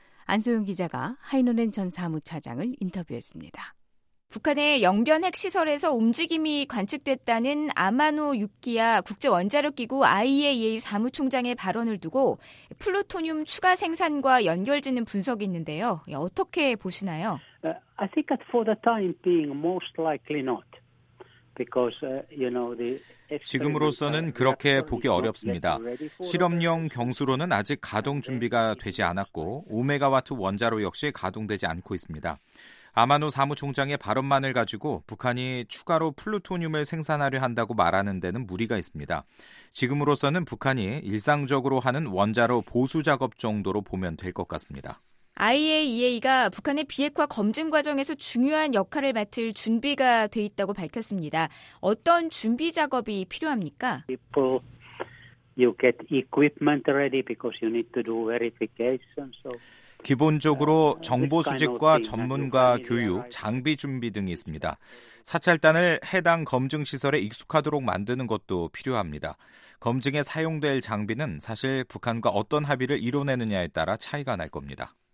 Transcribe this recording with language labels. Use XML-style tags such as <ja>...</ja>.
<ko>안소영 기자가 하이노넨 전 사무차장을 인터뷰했습니다. 북한의 영변 핵시설에서 움직임이 관측됐다는 아마노 유키야 국제원자력기구 IAEA 사무총장의 발언을 두고 플루토늄 추가 생산과 연결짓는 분석이 있는데요. 어떻게 보시나요?</ko> <en>I think that for the time being, most likely not. Because, you know, the</en> <ko>지금으로서는 그렇게 보기 어렵습니다. 실험용 경수로는 아직 가동 준비가 되지 않았고 오메가와트 원자로 역시 가동되지 않고 있습니다. 아마노 사무총장의 발언만을 가지고 북한이 추가로 플루토늄을 생산하려 한다고 말하는 데는 무리가 있습니다. 지금으로서는 북한이 일상적으로 하는 원자로 보수 작업 정도로 보면 될 것 같습니다. IAEA가 북한의 비핵화 검증 과정에서 중요한 역할을 맡을 준비가 돼 있다고 밝혔습니다. 어떤 준비 작업이 필요합니까?</ko> <en>You get equipment ready because you need to do verification.</en> <ko>기본적으로 정보 수집과 전문가 교육, 장비 준비 등이 있습니다. 사찰단을 해당 검증 시설에 익숙하도록 만드는 것도 필요합니다. 검증에 사용될 장비는 사실 북한과 어떤 합의를 이뤄내느냐에 따라 차이가 날 겁니다.</ko>